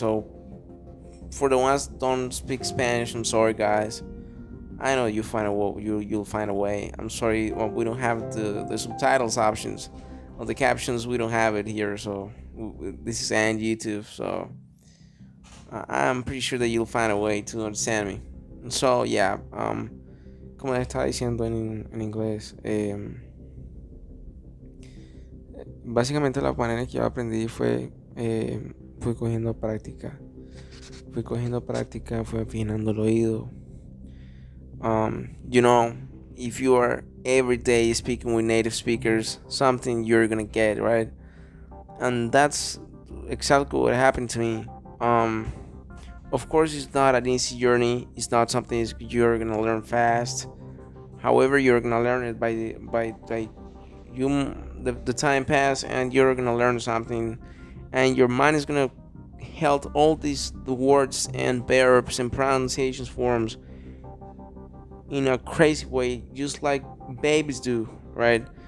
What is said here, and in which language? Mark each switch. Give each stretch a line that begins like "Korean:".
English: So for the ones that don't speak Spanish, I'm sorry, guys. I know you'll find a way. I'm sorry, well, we don't have the subtitles options. Well, the captions, we don't have it here, so this is on YouTube, so I'm pretty sure that you'll find a way to understand me.
Spanish: So, yeah, como está diciendo en inglés, básicamente la manera que yo aprendí fue fui cogiendo práctica, fui afinando el oído.
English: You know, if you are every day speaking with native speakers, something you're gonna get, right? And that's exactly what happened to me. Of course, it's not an easy journey. It's not something you're gonna learn fast. However, you're gonna learn it by the time pass, and you're gonna learn something, and your mind is gonna held all these words and verbs and pronunciation forms in a crazy way, just like babies do, right?